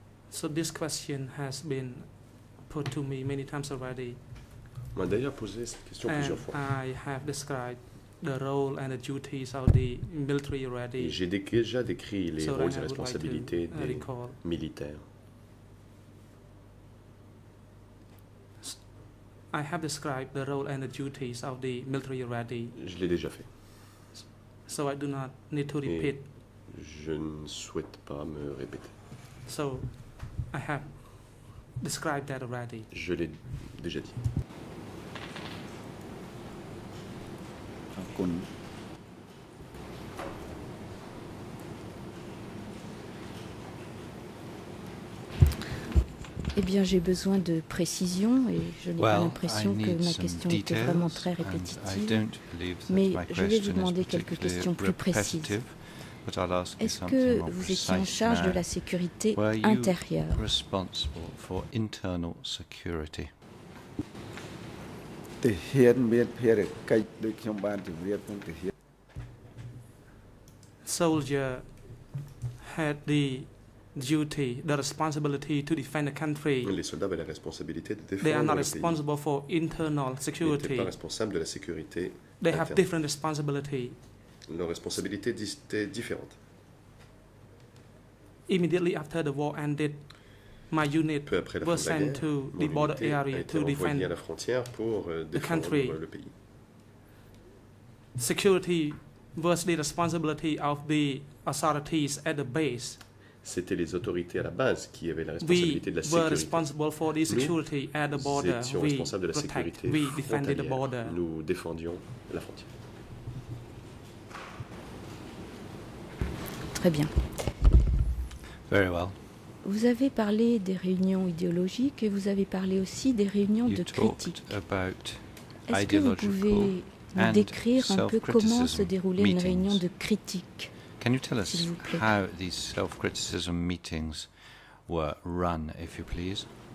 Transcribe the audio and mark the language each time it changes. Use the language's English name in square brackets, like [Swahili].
[English] so this question has been put to me many times already. [French] On m'a d'ailleurs posé cette question [English] and [French] plusieurs fois. [English] I have described the role and the duties of the military already. [French] Et j'ai déjà décrit les so rôles et responsabilités des militaires. [English] I have described the role and the duties of the military already. [French] Je l'ai déjà fait. [English] So I do not need to repeat. [French] Et je ne souhaite pas me répéter. [English] So I have described that already. [French] Je l'ai déjà dit. Eh bien, j'ai besoin de précision et je n'ai pas l'impression que ma question était vraiment très répétitive, mais je vais vous demander quelques questions plus précises. Est-ce que vous étiez en charge de la sécurité intérieure? [English] Responsible for internal security? Soldier had the duty, the responsibility to defend the country. [French] Les soldats avaient la responsabilité de défendre le pays. [English] They are not responsible for internal security. [French] Ils n'étaient pas responsables de la sécurité interne. [English] They have different responsibility. [French] Leurs responsabilités étaient différentes. [English] Immediately after the war ended, my unit was sent to the border area to defend [French] la frontière pour défendre [English] the country. [French] Le pays. [English] Security was the responsibility of the authorities at the base. [French] C'était les autorités à la base qui avaient la responsabilité [English] we [French] de la sécurité. [English] We were responsible for the security [French] nous [English] at the border. [French] Étions responsables de la sécurité frontalière. [English] We defended the border. [French] Nous défendions la frontière. Très bien. [English] Very well. [French] Vous avez parlé des réunions idéologiques et vous avez parlé aussi des réunions de critique. Est-ce que vous pouvez nous décrire un peu comment se déroulait une réunion de critique? [English] Can you tell us [French] s'il vous plaît? [English] How these self-criticism meetings were run, if you please?